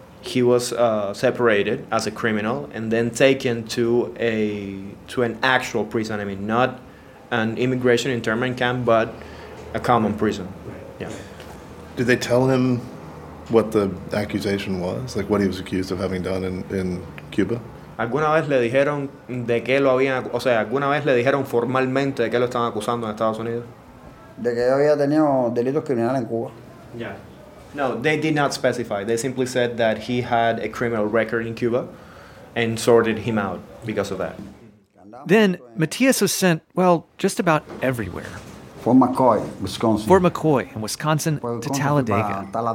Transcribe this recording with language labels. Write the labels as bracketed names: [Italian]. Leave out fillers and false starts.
[English] He was separated as a criminal and then taken to an actual prison. I mean, not an immigration internment camp, but a common prison. Yeah. Did they tell him what the accusation was? Like what he was accused of having done in Cuba? [Spanish] ¿Alguna vez le dijeron de qué lo habían, o sea, alguna vez le dijeron formalmente de qué lo estaban acusando en Estados Unidos? De que había tenido delitos criminales en Cuba. [English] Yeah. No, they did not specify. They simply said that he had a criminal record in Cuba and sorted him out because of that. Then Matias was sent, well, just about everywhere. Fort McCoy, Wisconsin. Fort McCoy in Wisconsin to Talladega.